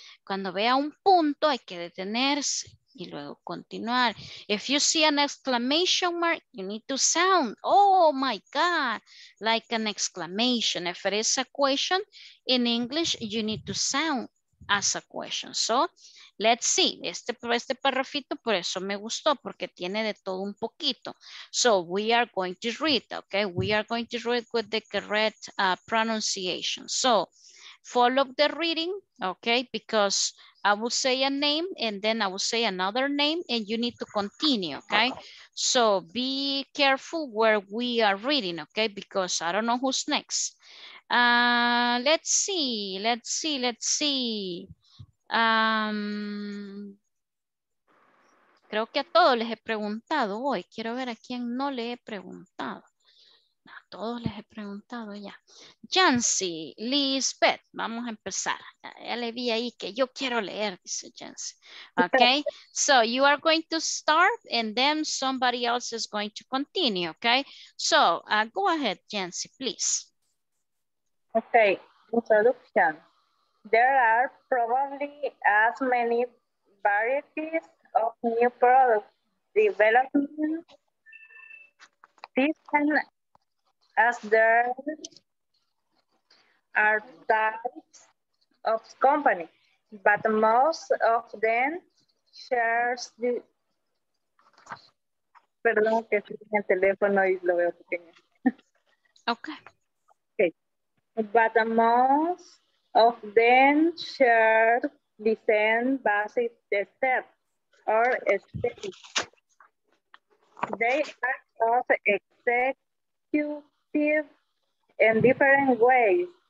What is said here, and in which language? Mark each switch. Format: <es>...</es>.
<es>Cuando vea un punto, hay que detenerse y luego continuar.</es> <en>If you see an exclamation mark, you need to sound, oh my God, like an exclamation. If it is a question in English, you need to sound as a question. So Let's see,</en> <es>este parrafito por eso me gustó, porque tiene de todo un poquito.</es> <en>So we are going to read, okay? We are going to read with the correct pronunciation. So follow the reading, okay? Because I will say a name and then I will say another name and you need to continue, okay? So be careful where we are reading, okay? Because I don't know who's next. Let's see.</en> <es>Creo que a todos les he preguntado hoy. Quiero ver a quién no le he preguntado. A todos les he preguntado ya. Jancy, Lisbeth, vamos a empezar. Ya le vi ahí que yo quiero leer, dice Jancy.</es> <en>Okay, so you are going to start and then somebody else is going to continue, okay? So go ahead, Jancy, please. Okay, introduction. There are probably as many varieties of new products developing systems as there are types of companies, but most of them share the.</en> <es>Perdón, que estoy en el teléfono y lo veo pequeño.</es> <en>Okay. But most of them share the same basic step or state. They act as executive in different ways.</en>